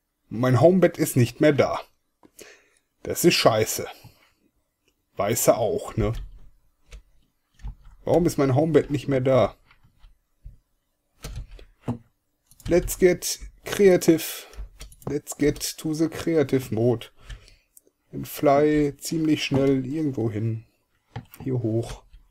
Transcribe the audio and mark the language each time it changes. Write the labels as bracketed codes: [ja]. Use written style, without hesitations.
[de] Mein Homebed ist nicht mehr da. Das ist scheiße. Weiße auch, ne? Warum ist mein Homebed nicht mehr da? [en] Let's get creative. Let's get to the creative mode. And fly [de] ziemlich schnell irgendwo hin. Hier hoch.